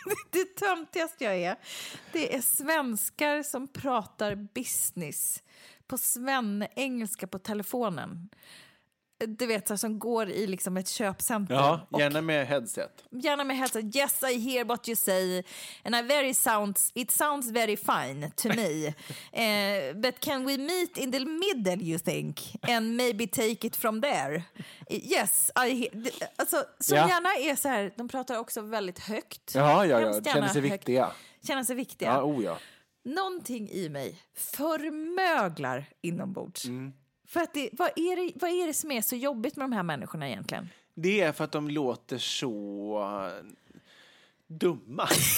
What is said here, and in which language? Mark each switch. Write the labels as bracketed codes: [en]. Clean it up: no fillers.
[sv] det töntigaste jag är, det är svenskar som pratar business på svenne-engelska på telefonen. Du vet, så här, som går i liksom ett köpcenter. Ja, gärna med headset. Gärna med headset. [en] Yes, I hear what you say. And I very sounds, it sounds very fine to me. but can we meet in the middle, you think? And maybe take it from there. Yes, I hear. [sv] Alltså, så ja. Gärna är så här, de pratar också väldigt högt. Ja. Känner sig viktiga. Känner sig viktiga. Ja, oja. Någonting i mig förmöglar inombords. Mm. För att vad är det som är så jobbigt med de här människorna egentligen? Det är för att de låter så dumma.